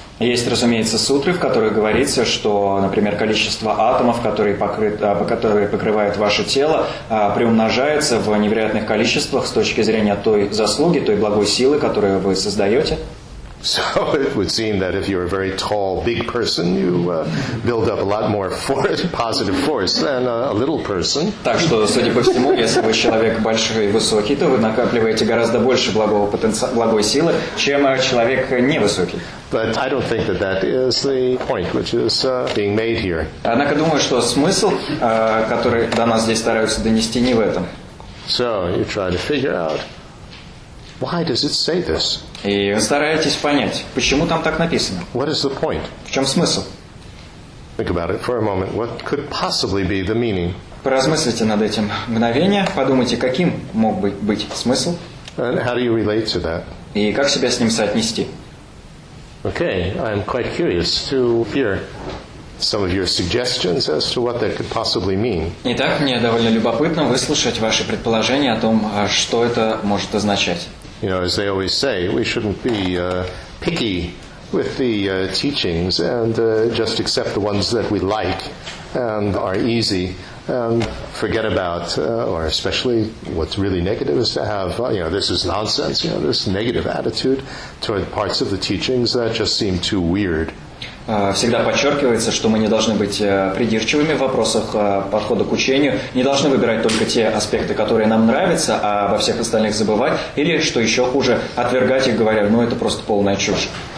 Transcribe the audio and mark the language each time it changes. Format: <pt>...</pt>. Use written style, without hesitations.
<ru>Есть, разумеется, сутры, в которых говорится, что, например, количество атомов, которые покрывают ваше тело, приумножается в невероятных количествах с точки зрения той заслуги, той благой силы, которую вы создаете.</ru> <en>So it would seem that if you're a very tall, big person, you build up a lot more force, positive force than a little person.</en> <ru>Так что, судя по всему, если вы человек большой и высокий, то вы накапливаете гораздо больше благого потенциала, благой силы, чем человек невысокий.</ru> <en>But I don't think that that is the point which is being made here.</en> <ru>Однако думаю, что смысл, который до нас здесь стараются донести, не в этом.</ru> <en>So you try to figure out. Why does it say this?</en> <ru>И вы стараетесь понять, почему там так написано.</ru> <en>What is the point?</en> <ru>В чем смысл?</ru> <en>Think about it for a moment. What could possibly be the meaning?</en> <ru>Поразмыслите над этим мгновение. Подумайте, каким мог бы быть смысл.</ru> <en>And how do you relate to that?</en> <ru>И как себя с ним соотнести?</ru> <en>Okay, I'm quite curious to hear some of your suggestions as to what that could possibly mean.</en> <ru>Итак, мне довольно любопытно выслушать ваши предположения о том, что это может означать.</ru> <en>You know, as they always say, we shouldn't be picky with the teachings and just accept the ones that we like and are easy and forget about, or especially what's really negative is to have, you know, this is nonsense, you know, this negative attitude toward parts of the teachings that just seem too weird.</en> <ru>Всегда подчеркивается, что мы не должны быть придирчивыми в вопросах подхода к учению, не должны выбирать только те аспекты, которые нам нравятся, а во всех остальных забывать, или, что еще хуже, отвергать их, говоря, ну это просто полная чушь.</ru>